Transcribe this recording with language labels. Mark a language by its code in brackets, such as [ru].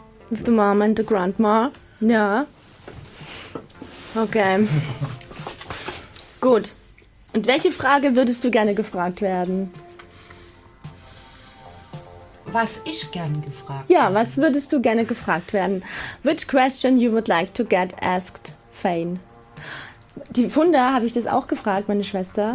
[en] With the mom and the grandma. [de] Ja. Okay. Gut. Und welche Frage würdest du gerne gefragt werden? Was ich gerne gefragt werde? Ja, was würdest du gerne gefragt werden? [en] Which question you would like to get asked, Fane? [de] Die Funda habe ich das auch gefragt, meine Schwester.